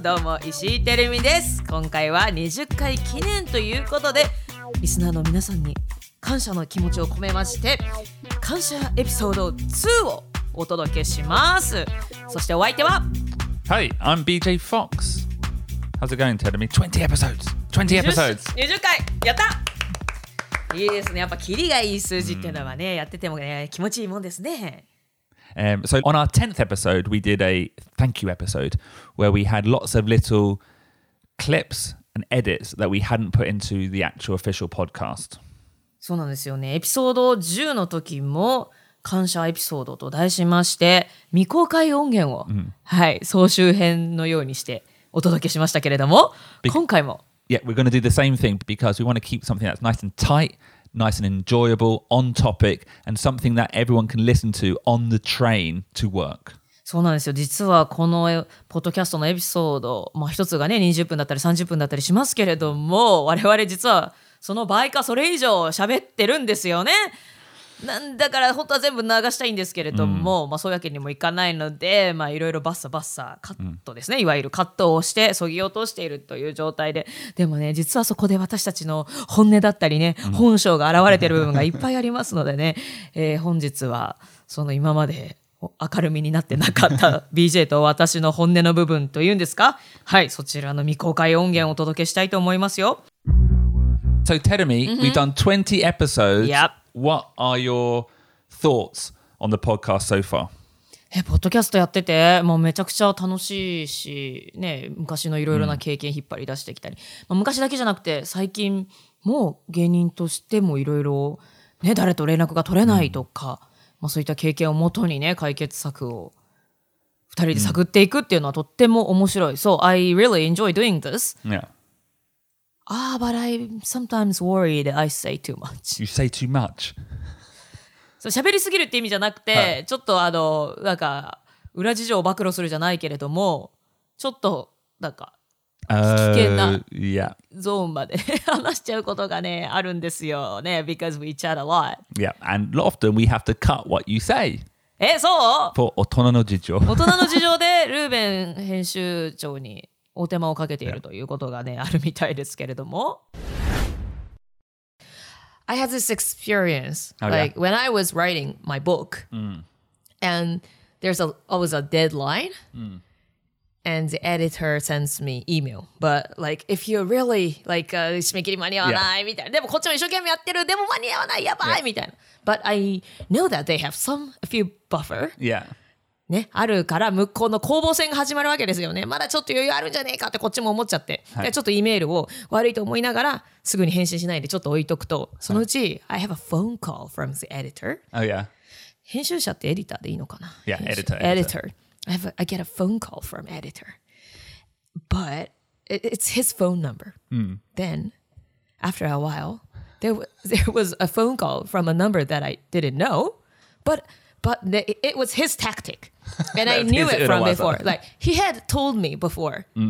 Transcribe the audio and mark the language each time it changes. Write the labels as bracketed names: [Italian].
[Japanese] どうも石井てるみです。今回は20回記念ということで、リスナーの皆さんに感謝の気持ちを込めまして、感謝エピソード2をお届けします。そしてお相手は、 [English] はい、 I'm BJ Fox。How's it going, Terumi? 20 episodes 20 episodes [Japanese] 20回やった。いいですね。やっぱキリがいい数字っていうのはね、やっててもね、気持ちいいもんですね。 [English] So on our 10th episode, we did a thank you episode where we had lots of little clips and edits that we hadn't put into the actual official podcast. [Japanese] そうなんですよね。エピソード10の時も感謝エピソードと題しまして、未公開音源を、はい、総集編のようにしてお届けしましたけれども、今回も。 [English] Yeah, we're going to do the same thing because we want to keep something that's nice and tight, nice and enjoyable, on topic, and something that everyone can listen to on the train to work. [Japanese] そうなんですよ。実はこのポッドキャストのエピソード、まあ一つがね、20分だったり30分だったりしますけれども、我々実はその倍かそれ以上喋ってるんですよね。なんだから本当は全部流したいんですけれども、うん、まあそういうわけにもいかないので、まあいろいろバッサバッサカットですね、うん、いわゆるカットをしてそぎ落としているという状態で、でもね、実はそこで私たちの本音だったりね、うん、本性が現れている部分がいっぱいありますのでね、本日はその今まで明るみになってなかった BJ と私の本音の部分というんですか、はい、そちらの未公開音源をお届けしたいと思いますよ。 [English] So tell me, we've done 20 episodes、yep. What are your thoughts on the podcast so far? [Japanese] ポッドキャストやってて、もうめちゃくちゃ楽しいし、ね、昔のいろいろな経験引っ張り出してきたり、うん、まあ、昔だけじゃなくて、最近も芸人としてもいろいろ、ね、誰と連絡が取れないとか、うん、まあ、そういった経験をもとにね、解決策を二人で探っていくっていうのはとっても面白い。 [English] So, I really enjoy doing this. Yeah. Ah, but I sometimes worry that I say too much. You say too much. [Japanese] そう、喋りすぎるって意味じゃなくて、ちょっとあのなんか裏事情を暴露するじゃないけれども、ちょっとなんか危険な、 [English] yeah. [Japanese] ゾーンまで話しちゃうことがねあるんですよね。 [English] Because we chat a lot. Yeah, and often we have to cut what you say. [Japanese] え、そう？ [English] For [Japanese] 大人の事情。大人の事情でルーベン編集長に。お手間をかけているということがね、yeah. あるみたいですけれども。 [English] I had this experience,、 oh, like、 yeah. when I was writing my book,、and there's always a deadline,、and the editor sends me email. But like, if you're really like、 [Japanese] 締め切り間に合わない、yeah. みたいな、でもこっちも一生懸命やってる、でも間に合わない、やばい、yeah. みたいな。 [English] But I know that they have a few buffer. Yeah. [Japanese] ね、あるから向こうの攻防戦が始まるわけですよね。まだちょっと余裕あるんじゃねえかってこっちも思っちゃって、はい、でちょっとイメールを悪いと思いながらすぐに返信しないでちょっと置いとくと、そのうち、はい、 [English] I have a phone call from the editor. Oh yeah. [Japanese] 編集者ってエディターでいいのかな。 [English] Yeah, editor. Editor. I get a phone call from editor. But it's his phone number.、Then, after a while, there was a phone call from a number that I didn't know, But it was his tactic. And I knew it from before. Like, he had told me before.